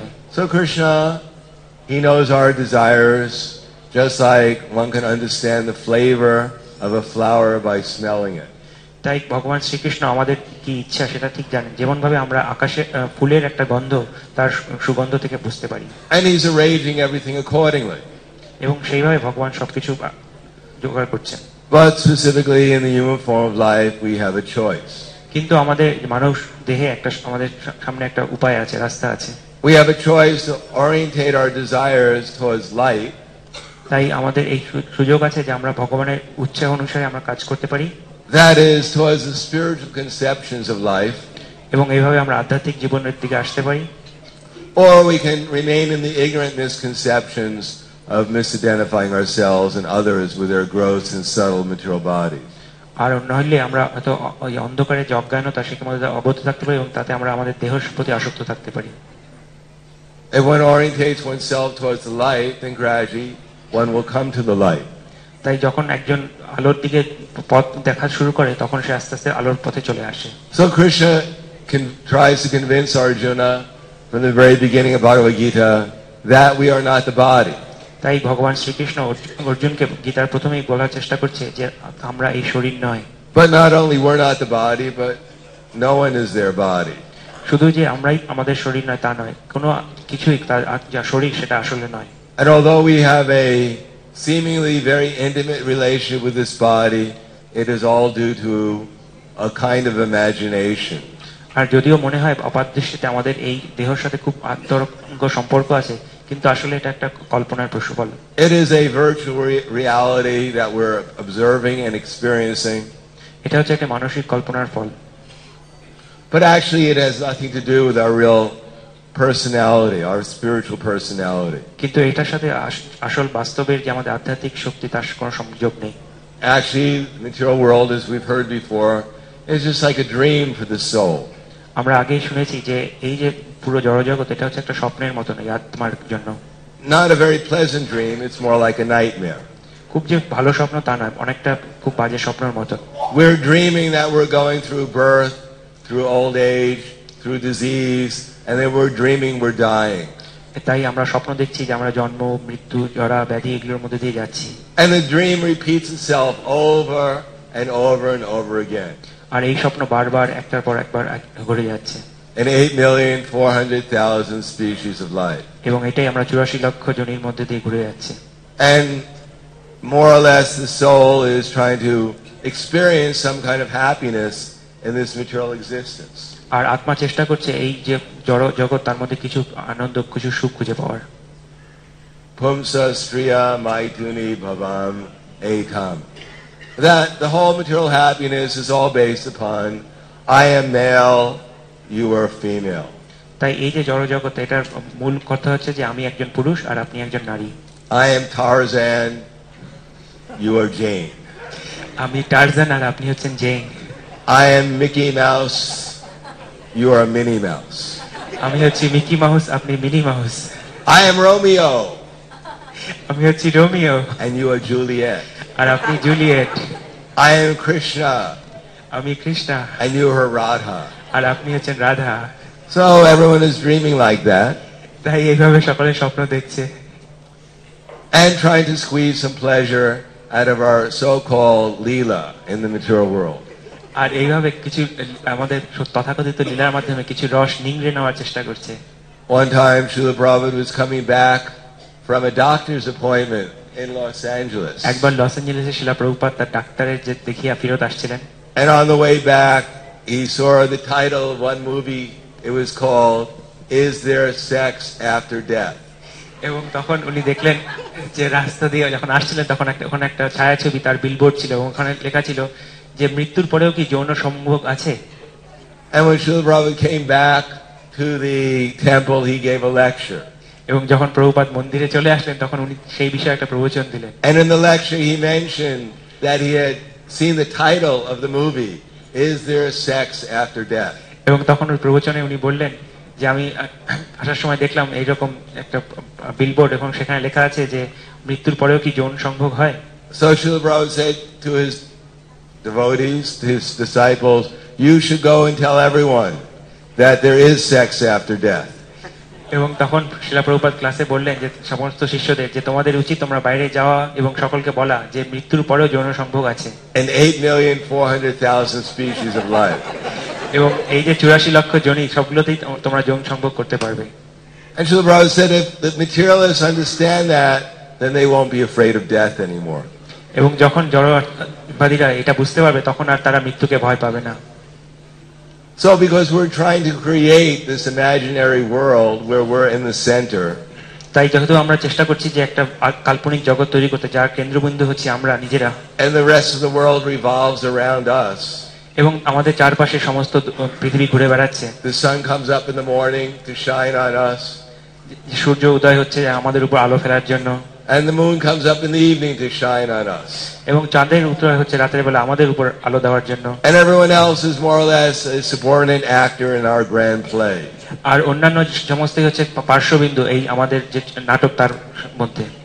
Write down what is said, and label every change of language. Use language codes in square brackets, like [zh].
[en] So Krishna, he knows our desires just like one can understand the flavor of a flower by smelling it. [bn] তাই ভগবান শ্রীকৃষ্ণ আমাদের কি ইচ্ছা সেটা ঠিক জানেন যেমনভাবে আমরা আকাশে ফুলের একটা গন্ধ তার সুগন্ধ থেকে বুঝতে পারি [en] And he's arranging everything accordingly. [bn] এবং সেইভাবে ভগবান সবকিছু জোগাড় করছেন [en] But specifically in the human form of life we have a choice. [bn] কিন্তু আমাদের মানুষ দেহে একটা আমাদের সামনে একটা উপায় আছে রাস্তা আছে [en] We have a choice to orientate our desires towards light. [bn] তাই আমাদের এই সুযোগ আছে যে আমরা ভগবানের উচ্চা অনুসারে আমরা কাজ করতে পারি [en] That is towards the spiritual conceptions of life. [bn] এবং এইভাবে আমরা আধ্যাত্মিক জীবনের দিকে আসতে পারি. [en] Or we can remain in the ignorant misconceptions of misidentifying ourselves and others with their gross and subtle material bodies. [bn] আর নইলে আমরা হয়তো এই অন্ধকারে অজ্ঞানতা শিক্ষামধ্যে অবদ্ধ থাকতে পারি এবং তাতে আমরা আমাদের দেহের প্রতি আসক্ত থাকতে পারি. [en] If one orientates oneself towards the light, then gradually one will come to the light. [bn] তাই যখন একজন আলোর দিকে পথ দেখা শুরু করে তখন সে আস্তে আস্তে আলোর পথে চলে আসে [en] So Krishna tries to convince Arjuna from the very beginning of Bhagavad Gita that we are not the body [bn] তাই ভগবান শ্রী কৃষ্ণ অর্জুনকে গীতার প্রথমেই বলার চেষ্টা করছে যে আমরা এই শরীর নয় [en] But not only we're not the body but no one is their body [bn] শুধু যে আমরাই আমাদের শরীর নয় তা নয় কোনো কিছুই তার শরীর সেটা আসলে নয় [en] And although we have a seemingly very intimate relationship with this body it is all due to a kind of imagination [bn] আর যদিও মনে হয় অপাদৃষ্টিতে আমাদের এই দেহের সাথে খুব আন্তরঙ্গ সম্পর্ক আছে কিন্তু আসলে এটা একটা কল্পনার প্রতিফলন [en] it is a virtual reality that we're observing and experiencing [bn] এটা হচ্ছে একটা মানসিক কল্পনার ফল [en] but actually it has nothing to do with our real personality our spiritual personality [bn] কিন্তু এটার সাথে আসল বাস্তবের যে আমাদের আধ্যাত্মিক শক্তি তার কোনো সংযোগ নেই [en] actually the material world as we've heard before is just like a dream for the soul [bn] আমরা আগে শুনেছি যে এই যে পুরো জড়জগৎ এটা হচ্ছে একটা স্বপ্নের মতো না আত্মার জন্য [en] not a very pleasant dream it's more like a nightmare [bn] খুব যে ভালো স্বপ্ন তা না অনেকটা খুব বাজে স্বপ্নের মতো [en] we're dreaming that we're going through birth through old age through disease and then we're dreaming we're dying [bn] তাই আমরা স্বপ্ন দেখছি যে আমরা জন্ম মৃত্যু জরা ব্যাধি এগুলোর মধ্যে দিয়ে যাচ্ছি [en] and the dream repeats itself over and over and over again [bn] আর এই স্বপ্ন বারবার একটার পর একবার ঘুরে যাচ্ছে [en] and 8,400,000 species of life [bn] এবং এটাই আমরা 84 লক্ষ জনের মধ্যে দিয়ে ঘুরে যাচ্ছে [en] and more or less the soul is trying to experience some kind of happiness in this material existence [bn] আর আত্মা চেষ্টা করছে এই যে জড় জগৎ তার মধ্যে কিছু আনন্দ কিছু সুখ খুঁজে পাওয়ার [sa] Pumsa Sriya Maituni Bhavam Ekam [en] That the whole material happiness is all based upon I am male, you are female. [bn] তাই এই যে জড় জগৎ এটার মূল কথা হচ্ছে যে আমি একজন পুরুষ আর আপনি একজন নারী [en] I am Tarzan, you are Jane. [bn] আমি টারজান আর আপনি হচ্ছেন gen [en] I am Mickey Mouse, You are Minnie Mouse. [bn] আমি হচ্ছি মিকি মাউস আপনি mini mouse [en] I am Romeo. [bn] আমি হচ্ছি Romeo [en] And you are Juliet. [bn] আর আপনি জুলিয়েট [en] I am Krishna. [bn] আমি Krishna [en] And you are Radha. [bn] আর আপনি হচ্ছেন Radha [en] So everyone is dreaming like that. [bn] তাই এইভাবে সকলে স্বপ্ন দেখছে [en] And trying to squeeze some pleasure out of our so-called leela in the material world. [bn] আর এইভাবে কিছু আমাদের তথাকথিত লীলার মাধ্যমে কিছু রস নিংড়ে নেওয়ার চেষ্টা করছে [en] One time Srila Prabhupada was coming back from a doctor's appointment in Los Angeles [bn] একবার লস অ্যাঞ্জেলেসে Srila Prabhupada তার ডাক্তারের যে দেখিয়া ফিরত আসছিলেন [en] And on the way back he saw the title of one movie it was called Is There Sex After Death [bn] এবং তখন উনি দেখলেন যে রাস্তা দিয়ে যখন আসছিলেন তখন একটা ওখানে একটা ছায়াছবি তার বিলবোর্ড ছিল ওখানে লেখা ছিল যে মৃত্যুর পরেও কি যৌন সম্ভোগ আছে এবং [en] Srila Prabhupada came back to the temple he gave a lecture [bn] এবং যখন প্রভুপাদ মন্দিরে চলে আসলেন তখন উনি সেই বিষয়ে একটা প্রবচন দিলেন [en] And in the lecture he mentioned that he had seen the title of the movie, Is There Sex After Death? [bn] এবং তখন ওই প্রবচনে উনি বললেন যে আমি আসার সময় দেখলাম এইরকম একটা বিলবোর্ড এবং সেখানে লেখা আছে যে মৃত্যুর পরেও কি যৌন সংযোগ হয়। [en] So Srila Prabhupada said to his devotees, his disciples, you should go and tell everyone that there is sex after death. [bn] এবং তখন শ্রীলা প্রভুপাদ ক্লাসে বললেন যে সমস্ত শিষ্যদের যে তোমাদের উচিত তোমরা বাইরে যাওয়া এবং সকলকে বলা যে মৃত্যুর পরেও যৌন সংযোগ আছে। [en] And 8,400,000 species of life. [bn] এবং এই যে 84 লক্ষ জনই সবগুলোতেই তোমরা যৌন সংযোগ করতে পারবে। [en] And Srila Prabhupada said if the materialists understand that, then they won't be afraid of death anymore. [bn] এবং যখন জড়বাদীরা এটা বুঝতে পারবে তখন আর তারা মৃত্যুকে ভয় পাবে না। [en] So because we're trying to create this imaginary world where we're in the center. [bn] তাই যেহেতু আমরা চেষ্টা করছি যে একটা কাল্পনিক জগৎ তৈরি করতে যার কেন্দ্রবিন্দু হচ্ছে আমরা নিজেরা। [en] And the rest of the world revolves around us. [bn] এবং আমাদের চারপাশে সমস্ত পৃথিবী ঘুরে বেড়াচ্ছে। [en] The sun comes up in the morning to shine on us. [bn] সূর্য উদয় হচ্ছে আমাদের উপর আলো ফেলার জন্য। [en] And the moon comes up in the evening to shine on us. [bn] এবং চাঁদের উদয় হচ্ছে রাতের বেলা আমাদের উপর আলো দেওয়ার জন্য। [en] And everyone else is more or less a subordinate actor in our grand play. [bn] আর অন্যান্য সমস্তই হচ্ছে পার্শ্ববিন্দু এই আমাদের যে নাটক তার মধ্যে।